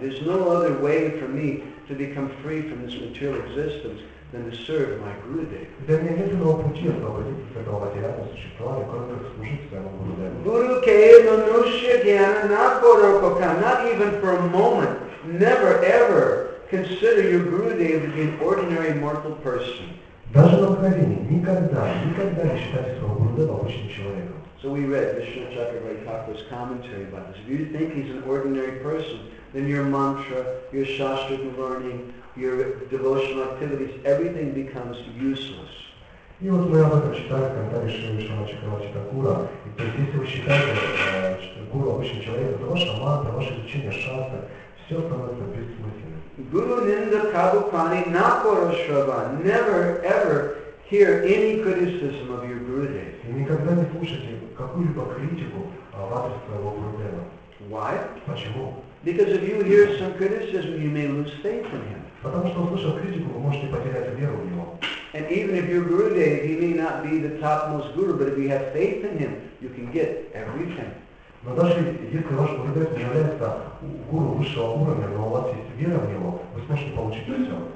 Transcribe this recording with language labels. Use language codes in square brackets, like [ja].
[en] There's no other way for me to become free from this material existence than to serve my Guru Dev. [ru] Для меня нет иного пути освободиться от этого материального существования, кроме как служить своему Guru Dev. [en] Guru Ke Manushya Gyana Naporokoka, not even for a moment, never ever consider your Guru Dev to be an ordinary mortal person. [ru] Даже на мгновение, никогда не считайте своего Guru Dev обычным человеком. [en] So we read Vishnu Chakravarti Thakura's commentary about this. If you think he's an ordinary person, then your mantra, your shastra learning, your devotional activities, everything becomes useless. [ru] И вот мы об этом читали, когда Вишну Чакраварти Такура. И то есть если вы считаете, что гуру обычный человек, то ваша мантра, ваше лечение, шастра, все становится бессмысленным. [en] Guru Ninda Kabupani Nakora Shravan, never ever hear any criticism of your Guru Dev. [ru] И никогда не слушайте какую-либо критику в адрес своего Guru Dev. [en] Why? [ru] Почему? [en] Because if you hear some criticism, you may lose faith in him. [ru] Потому что услышав критику, вы можете потерять веру в него. [en] And even if your Guru Dev, he may not be the topmost guru, but if you have faith in him, you can get everything. [ru] Но даже если ваш Guru Dev не является гуру высшего уровня, но у вас есть вера в него, вы сможете получить все.